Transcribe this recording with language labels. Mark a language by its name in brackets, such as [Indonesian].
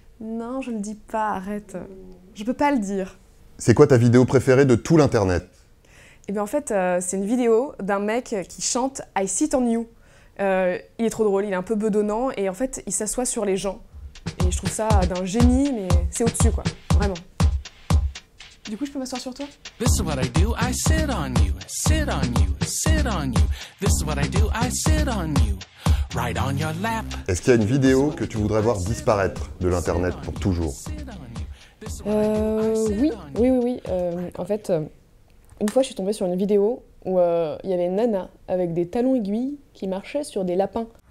[French] Non, je le dis pas, arrête. Je peux pas le dire. C'est quoi ta vidéo préférée de tout l'Internet? Eh bien, en fait, c'est une vidéo d'un mec qui chante « [English] I sit on you ». [French] Il est trop drôle, il est un peu bedonnant et en fait, il s'assoit sur les gens. Et je trouve ça d'un génie, mais c'est au-dessus, quoi. Vraiment. Du coup, je peux m'asseoir sur toi? [English] This is what I do, I sit on you, sit on you, sit on you. This is what I do, I sit on you, right on your lap. [French] Est-ce qu'il y a une vidéo que tu voudrais voir disparaître de l'Internet pour toujours? Oui. En fait, une fois, je suis tombée sur une vidéo où il y avait Nana avec des talons aiguilles qui marchait sur des lapins.